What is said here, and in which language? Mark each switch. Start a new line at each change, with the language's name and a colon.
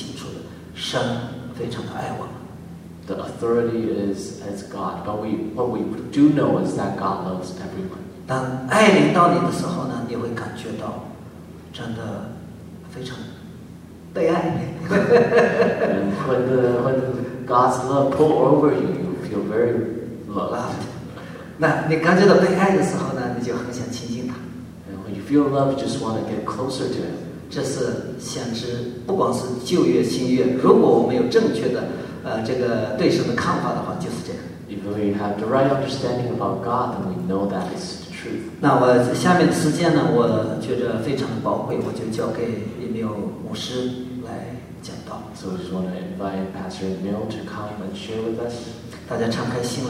Chinese: 所以这在于神，他那个时候他知道每一位能够信心到什么样的程度，但是有一点是非常的清楚的，神非常的爱我们。The
English: authority is God, but what we do know is that God loves everyone.
Chinese: 当爱临到你的时候呢，你会感觉到。真的非常被爱你。
English: When God's love pull over you, you feel very loved.
Chinese: 那你感觉到被爱的时候呢，你就很想亲近他。And
English: when you feel love, you just want to get closer to him.
Chinese: 这是先知，不光是旧约、新约，如果我们有正确的这个对神的看法的话，就是这样。If
English: we have the right understanding about God, then we know that is.
Chinese: 那我下面的时间呢，我觉得非常宝贵，我就交给Emil牧师来讲道。So
English: I just want to invite Pastor Emil to come and share with us.